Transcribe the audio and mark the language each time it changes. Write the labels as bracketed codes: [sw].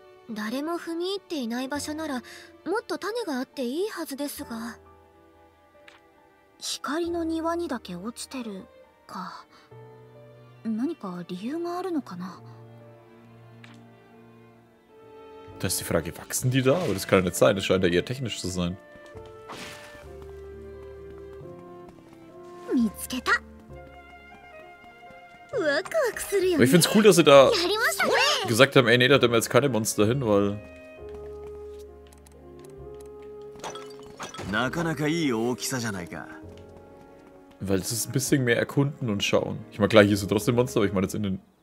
[ja] 誰も踏み入っていない場所ならもっと種があっていいはずですが、光の庭にだけ落ちてるか。何か理由があるのかな。 [de] Das ist die Frage, wachsen die da? Aber das kann ja nicht sein, das scheint ja eher technisch zu sein. [ja] 見つけた。ワクワクするよね。 [de] Ich find's cool, dass sie da gesagt haben, ey, nee, da haben wir jetzt keine Monster hin, weil. [ja] なかなかいい大きさじゃないか。 [de] Weil es ist ein bisschen mehr erkunden und schauen. Ich meine, klar, hier sind trotzdem Monster, aber ich meine jetzt in den.